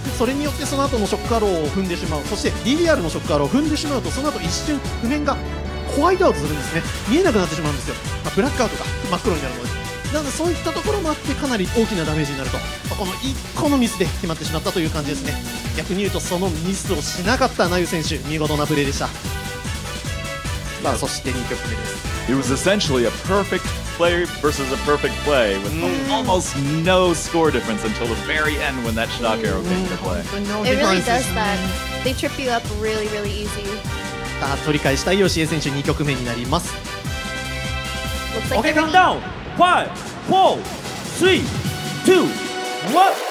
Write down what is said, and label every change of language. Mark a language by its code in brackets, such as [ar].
[ja] それによってその後のショックアローを踏んでしまう。そして DDR のショックアローを踏んでしまうとその後一瞬譜面がホワイトアウトするんですね。見えなくなってしまうんですよ。まあ、ブラックアウトが真っ黒になるので。なんかそういったところもあってかなり大きなダメージになると、この1個のミスで決まってしまったという感じですね。逆に言うとそのミスをしなかった那由選手、見事なプレーでした。まあ、そして2曲目です。 [en] It was essentially a perfect play versus a perfect play with almost no score difference until the very end when that shock arrow came into play. It really does that. They trip you up really, really easy. [ja] さあ、取り返したい吉江選手2曲目になります。 [en] Like、OK, calm down! 5, 4, 3, 2, 1, GO!